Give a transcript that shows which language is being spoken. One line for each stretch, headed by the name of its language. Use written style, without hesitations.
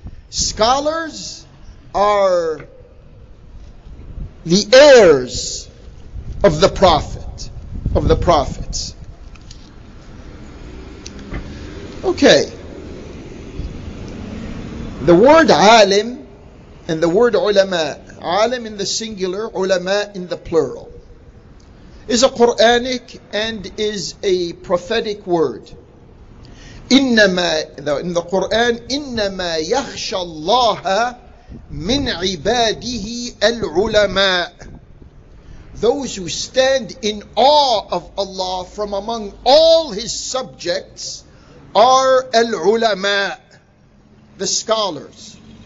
English: Scholars are the heirs of the Prophet, of the Prophets. Okay. The word alim and the word ulama, alim in the singular, ulama in the plural, is a Quranic and is a prophetic word.
Arabic: إنما,
English: in the Quran,
Arabic: إنما يخشى الله من عباده العلماء.
English: Those who stand in awe of Allah from among all His subjects are al-ulama, the scholars.